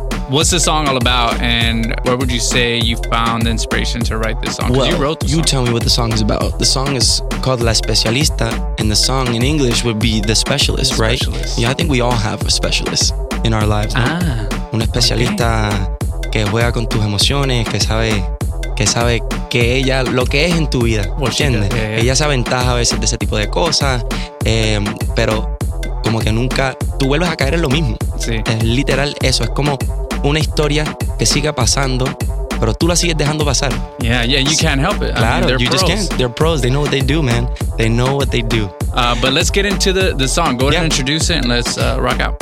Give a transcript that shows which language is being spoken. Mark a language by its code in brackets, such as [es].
[en] What's the song all about, and where would you say you found the inspiration to write this song? Well, you wrote the song. You tell me what the song is about. The song is called La Especialista, and the song in English would be The Specialist, right? Specialist. Yeah, I think we all have a specialist in our lives. Ah. No? [es] Una especialista que juega con tus emociones, que sabe que ella lo que es en tu vida, [en] well, [es] ¿entiendes? Ella se aventaja a veces de ese tipo de cosas, pero como que nunca tú vuelves a caer en lo mismo. Sí. Es literal eso, es como una historia que siga pasando, pero tú la sigues dejando pasar. [en] Yeah, you can't help it. [es] Claro, [en] I mean, you pros. Just can't. They're pros, they know what they do, man. They know what they do. But let's get into the song. Go ahead and introduce it and let's rock out.